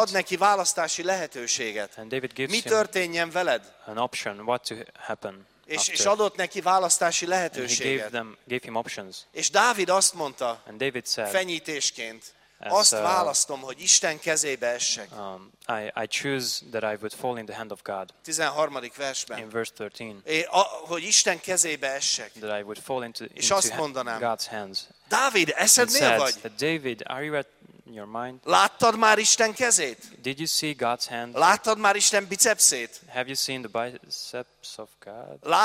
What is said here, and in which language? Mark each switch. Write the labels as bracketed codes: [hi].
[hu] Ad neki választási lehetőséget. [en] And David gives [hu] mi történjen veled? [en] An option, what to happen after. [hu] És adott neki választási lehetőséget. [en] And he gave him options. [hu] És Dávid azt mondta, [en] and David said, [hu] fenyítésként, azt választom, hogy Isten kezébe essek. [en] I choose that I would fall in the hand of God. [hu] 13. versben. [en] In verse 13. [hu] Hogy Isten kezébe essek. [en] That I would fall into [hu] és azt mondanám, [en] God's hands. [hu] Dávid, eszednél vagy? [en] David, are you at in your mind? [hu] Láttad már Isten kezét? [en] Did you see God's hand? [hu] Láttad már Isten bicepsét? [en] Have you seen the biceps of God?